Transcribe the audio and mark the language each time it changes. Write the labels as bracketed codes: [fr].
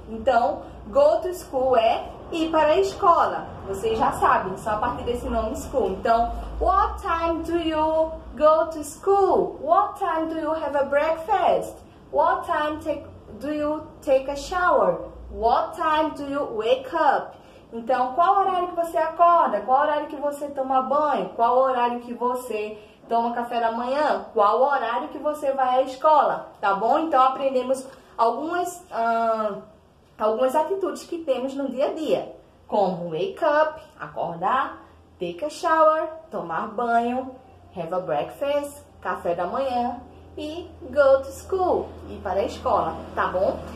[pt] Então, [en] go to school [pt] é ir para a escola, vocês já sabem, só a partir desse nome school. [en] Então, what time do you go to school? What time do you have a breakfast? What time do you take a shower? What time do you wake up? [pt] Então, qual horário que você acorda? Qual horário que você toma banho? Qual horário que você toma café da manhã? Qual horário que você vai à escola? Tá bom? Então, aprendemos algumas algumas atitudes que temos no dia a dia, como wake up, acordar, [en] take a shower, [pt] tomar banho, [en] have a breakfast, [pt] café da manhã e [en] go to school, [pt] ir para a escola, tá bom?